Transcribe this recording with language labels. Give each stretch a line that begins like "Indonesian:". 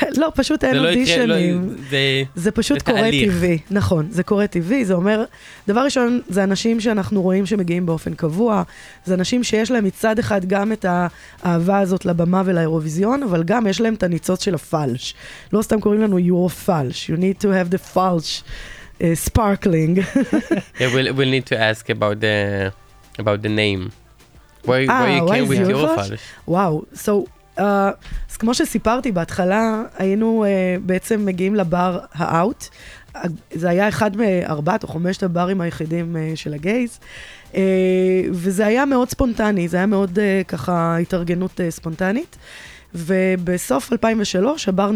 Hebrew: לא, פשוט אין אודישנים. זה פשוט קורה טבעי. נכון, זה קורה טבעי. זה אומר, דבר ראשון, זה אנשים שאנחנו רואים שמגיעים באופן קבוע. זה אנשים שיש להם מצד אחד גם את האהבה הזאת לבמה ולאירוויזיון, אבל גם יש להם את הניצוץ של הפלש. לא סתם קוראים לנו EuroFalsh.
English: You need to have the falsh sparkling. Yeah, we'll need to ask about the name. Why you came with EuroFalsh?
Hebrew: וואו,
English: so,
Hebrew: אז כמו שסיפרתי בהתחלה, היינו בעצם מגיעים לבר האוט, זה היה אחד מארבעת או חמשת הברים היחידים של הגייז, וזה היה מאוד ספונטני, זה היה מאוד ככה התארגנות ספונטנית, ובסוף 2003